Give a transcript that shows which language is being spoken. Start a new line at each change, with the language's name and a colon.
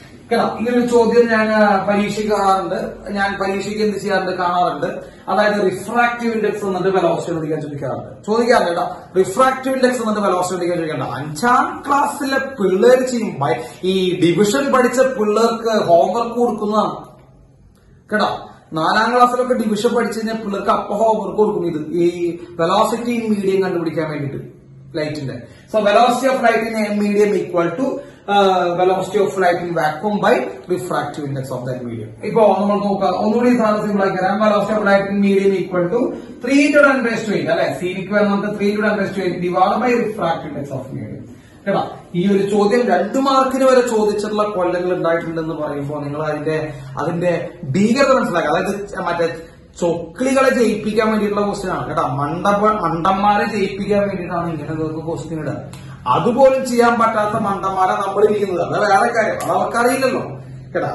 Malayalam: കേട്ടോ ഇങ്ങനൊരു ചോദ്യം ഞാൻ പരീക്ഷിക്കാറുണ്ട് ഞാൻ പരീക്ഷയ്ക്ക് എന്ത് ചെയ്യാറുണ്ട് കാണാറുണ്ട് അതായത് റിഫ്രാക്റ്റീവ് ഇൻഡെക്സ് എന്നിട്ട് വെലോസിറ്റി ചോദിക്കാൻ ചോദിക്കാറുണ്ട് ചോദിക്കാറുണ്ട് കേട്ടോ റിഫ്രാക്റ്റീവ് ഇൻഡെക്സ് എന്നിട്ട് വെലോസിറ്റി ചോദിക്കാൻ ചോദിക്കേണ്ട അഞ്ചാം ക്ലാസ്സിലെ പിള്ളേർ ചെയ്യും ഈ ഡിവിഷൻ പഠിച്ച പിള്ളേർക്ക് ഹോംവർക്ക് കൊടുക്കുന്നതാണ് കേടാ നാലാം ക്ലാസ്സിലൊക്കെ ഡിവിഷൻ പഠിച്ചു കഴിഞ്ഞാൽ പിള്ളേർക്ക് അപ്പോ ഹോംവർക്ക് കൊടുക്കും ഇത് ഈ വെലോസിറ്റി ഇൻ മീഡിയം കണ്ടുപിടിക്കാൻ വേണ്ടിട്ട് ലൈറ്റിന്റെ
English: So velocity of light in medium equal to velocity of light in vacuum by refractive index of that medium.
Malayalam: ഇപ്പോ നമ്മൾ നോക്കാം, ഒന്നുകൂടി സാധനത്തിൽ വിളിക്കാം.
English: velocity of light in medium equal to 3 to 10 raised to 8 അല്ലെ,
Malayalam: c ക്ക് വേണം നമുക്ക്
English: 3 to 10 raised to 8 divided by refractive index of medium.
Malayalam: കേട്ടോ, ഈ ഒരു ചോദ്യം 2 മാർക്കിന് വരെ ചോദിച്ചിട്ടുള്ള കൊല്ലങ്ങൾ ഉണ്ടായിട്ടുണ്ടെന്ന് പറയുമ്പോൾ നിങ്ങൾ അതിന്റെ ഭീകരത മനസ്സിലാക്കുക. അതായത് മറ്റേ ചൊക്ലികളെ ജയിപ്പിക്കാൻ വേണ്ടിയിട്ടുള്ള ക്വസ്റ്റ്യൻ ആണ് കേട്ടോ, മണ്ടന്മാരെ ജയിപ്പിക്കാൻ വേണ്ടിയിട്ടാണ് ഇങ്ങനെ ക്വസ്റ്റ്യൻ ഇടുക. അതുപോലും ചെയ്യാൻ പറ്റാത്ത മണ്ടന്മാരെ നമ്മൾ ഇരിക്കുന്നത് അത് വേറെ കാര്യം, അത് അവർക്കറിയില്ലല്ലോ കേട്ടോ.